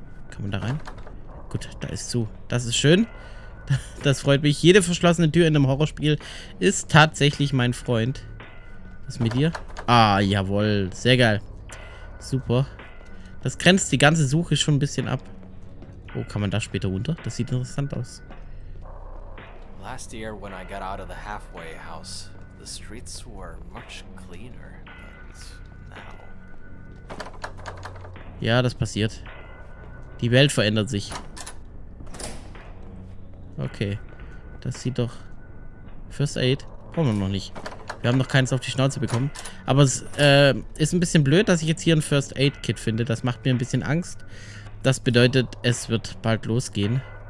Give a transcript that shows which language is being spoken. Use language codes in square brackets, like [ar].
[de] Kann man da rein? Gut, da ist zu. Das ist schön. Das freut mich. Jede verschlossene Tür in einem Horrorspiel ist tatsächlich mein Freund. Was mit dir? Ah, jawohl. Sehr geil. Super. Das grenzt die ganze Suche schon ein bisschen ab. Oh, kann man da später runter? Das sieht interessant aus. [en] Last year when I got out of the halfway house, the streets were much cleaner, but now. [de] Ja, das passiert. Die Welt verändert sich. Okay. Das sieht doch... First Aid? Brauchen wir noch nicht. Wir haben noch keins auf die Schnauze bekommen. Aber es ist ein bisschen blöd, dass ich jetzt hier ein First Aid Kit finde. Das macht mir ein bisschen Angst. Das bedeutet, es wird bald losgehen.